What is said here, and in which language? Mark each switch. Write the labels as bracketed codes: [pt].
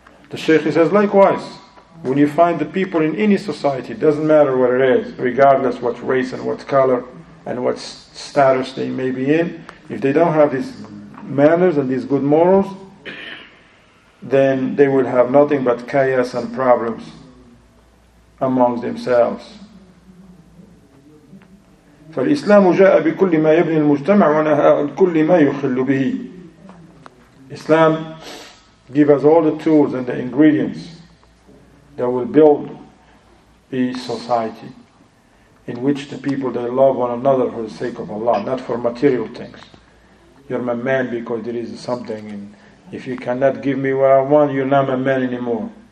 [en] The Shaykh says, likewise, when you find the people in any society, doesn't matter what it is, regardless what race and what color and what status they may be in, if they don't have these manners and these good morals, then they will have nothing but chaos and problems amongst themselves. [ar] فالإسلام جاء بكل ما يبني المجتمع ونهى عن كل ما يخل به. [en] Islam gives us all the tools and the ingredients that will build a society in which the people, they love one another for the sake of Allah, not for material things. You're my man because there is something, and if you cannot give me what I want, you're not my man anymore.